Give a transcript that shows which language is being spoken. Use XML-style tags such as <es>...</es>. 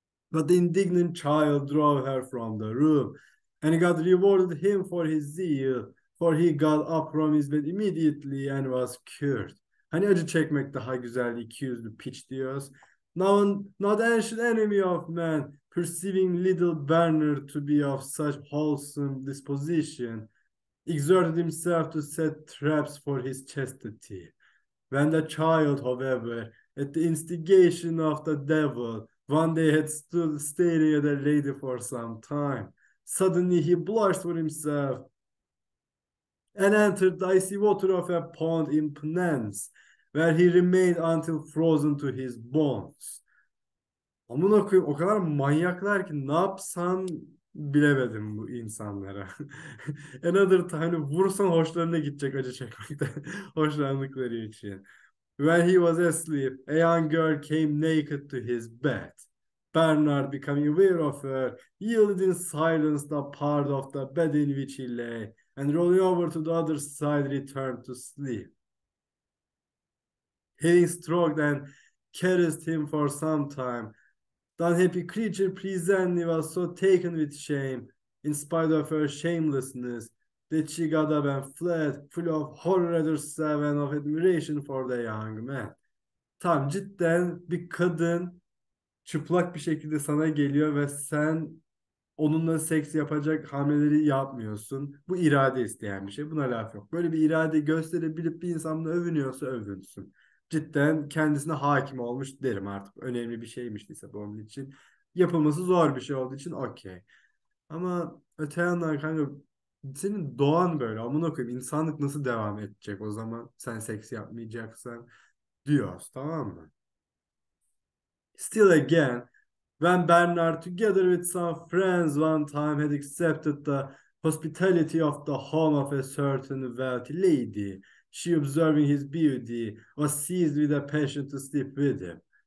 <en>But the indignant child drove her from the room, and God rewarded him for his zeal, For he got up from his bed immediately and was cured.</en> <tr>Hani acı çekmek daha güzel, iki yüzlü piç diyoruz.</tr> <en>Not ancient enemy of man, perceiving little Bernard to be of such wholesome disposition, exerted himself to set traps for his chastity. When the child, however, at the instigation of the devil, one day had stood staring at a lady for some time, suddenly he blushed for himself and entered the icy water of a pond in penance, where he remained until frozen to his bones.</en> <tr>Amına koyayım, o kadar manyaklar ki ne yapsam bilemedim bu insanlara.</tr> <en>Another time,</en> <tr>hani vursan hoşlarına gidecek acı çekmekten, hoşlandıkları için.</tr> <en>When he was asleep, a young girl came naked to his bed. Bernard, becoming aware of her, yielded in silence the part of the bed in which he lay, and rolling over to the other side, returned to sleep. Having stroked and caressed him for some time, the unhappy creature presently was so taken with shame, in spite of her shamelessness, that she got up and fled, full of horror at herself and of admiration for the young man.</en> <tr>Tam cidden bir kadın çıplak bir şekilde sana geliyor ve sen onunla seks yapacak hamleleri yapmıyorsun. Bu irade isteyen bir şey. Buna laf yok. Böyle bir irade gösterebilip bir insanla övünüyorsa övünsün. Cidden kendisine hakim olmuş derim artık. Önemli bir şeymişse bu onun için. Yapılması zor bir şey olduğu için okey. Ama öte yandan kanka senin doğan böyle. Amına koyayım, insanlık nasıl devam edecek o zaman sen seks yapmayacaksan diyoruz, tamam mı?</tr> <en>Still again, when Bernard together with some friends one time had accepted the hospitality of the home of a certain wealthy lady, she observing his beauty was seized with a passion to sleep with him.</en>